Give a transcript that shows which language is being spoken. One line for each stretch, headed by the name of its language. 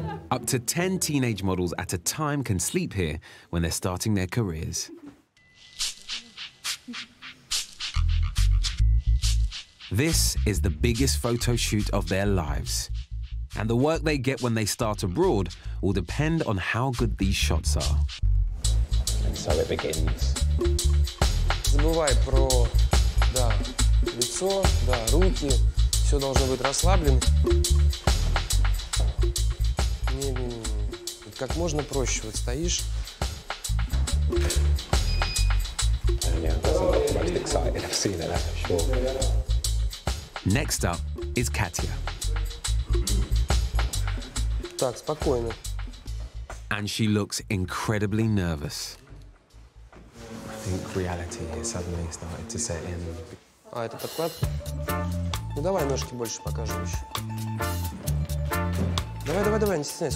English: Up to 10 teenage models at a time can sleep here when they're starting their careers. This is the biggest photo shoot of their lives. And the work they get when they start abroad will depend on how good these shots are. And so it begins.
Russian: Забывай про, да, лицо, да, руки. Все должно быть расслаблено. Не-не-не. Как можно проще. Вот стоишь.
English: Next up is Katya.
Russian: Так, спокойно.
English: And she looks incredibly nervous. I think reality has suddenly started to set in.
Russian: А, это подклад? Ну, давай ножки больше покажем еще. Давай, давай, давай, не стесняйся.